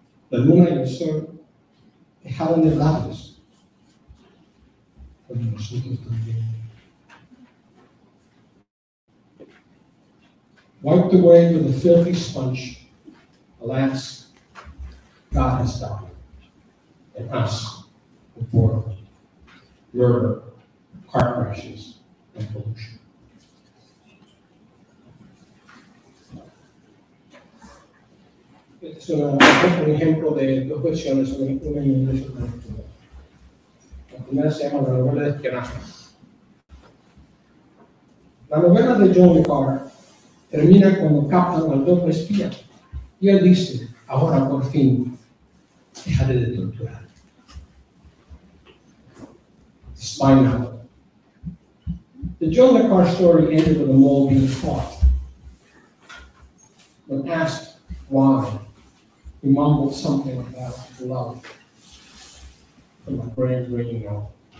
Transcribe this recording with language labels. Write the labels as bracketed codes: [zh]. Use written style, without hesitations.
[es] La luna y el sol dejaron de lados, pero nosotros también. [en] Wiped away with a filthy sponge, alas, God has died, and us, the poor, murder, car crashes, and pollution. [es] Es un ejemplo de dos versiones, una en inglés y otra en español. La primera se llama La novela de espionaje. La novela de John le Carré termina cuando captan al doble espía y él dice: ahora por fin dejaré de torturar. [en] The spy novel. The John le Carré story ended with a mole being caught. When asked why, he mumbled something about love from my brand ringing out.